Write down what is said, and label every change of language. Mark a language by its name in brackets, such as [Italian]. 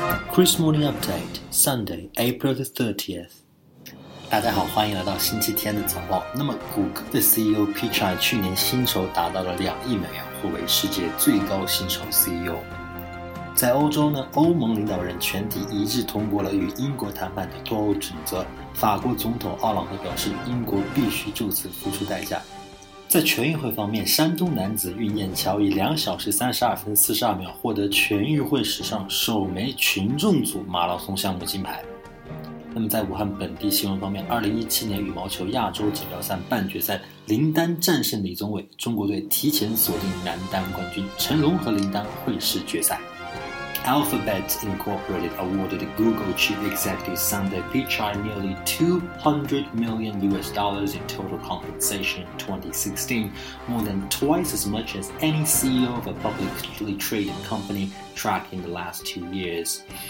[English] Chris Morning Update, Sunday, April the 30th. [Chinese] 大家好，欢迎来到星期天的早报。那么，谷歌的 CEO Pichai 去年薪酬达到了2亿美元，获为世界最高薪酬 CEO。在欧洲呢，欧盟领导人全体一致通过了与英国谈判的脱欧准则。法国总统奥朗德表示，英国必须就此付出代价。在全运会方面，山东男子运燕乔以2小时32分42秒获得全运会史上首枚群众组马拉松项目金牌。那么在武汉本地新闻方面，2017年羽毛球亚洲锦标赛半决赛，林丹战胜李宗伟，中国队提前锁定男单冠军，陈龙和林丹会师决赛。 [English] Alphabet Incorporated awarded Google chief executive Sundar Pichai nearly $200 million in total compensation in 2016, more than twice as much as any CEO of a publicly traded company tracked in the last 2 years.